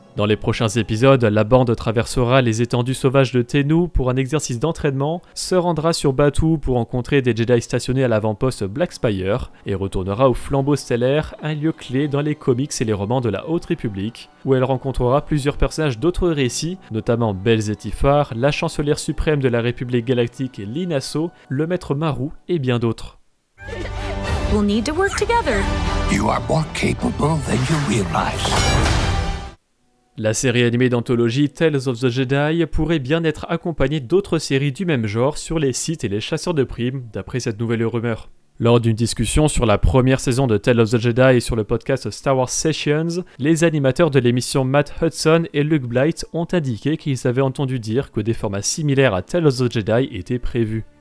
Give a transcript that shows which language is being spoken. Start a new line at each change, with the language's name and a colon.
French: Dans les prochains épisodes, la bande traversera les étendues sauvages de Tenu pour un exercice d'entraînement, se rendra sur Batuu pour rencontrer des Jedi stationnés à l'avant-poste Black Spire, et retournera au Flambeau Stellaire, un lieu clé dans les comics et les romans de la Haute République, où elle rencontrera plusieurs personnages d'autres récits, notamment Belle Zetifar, la chancelière suprême de la République Galactique Lina So, le maître Maru et bien d'autres.
English: We'll need to work together. You are more capable than you realize.
French: La série animée d'anthologie Tales of the Jedi pourrait bien être accompagnée d'autres séries du même genre sur les Sith et les chasseurs de primes, d'après cette nouvelle rumeur. Lors d'une discussion sur la première saison de Tales of the Jedi sur le podcast Star Wars Sessions, les animateurs de l'émission Matt Hudson et Luke Blight ont indiqué qu'ils avaient entendu dire que des formats similaires à Tales of the Jedi étaient prévus.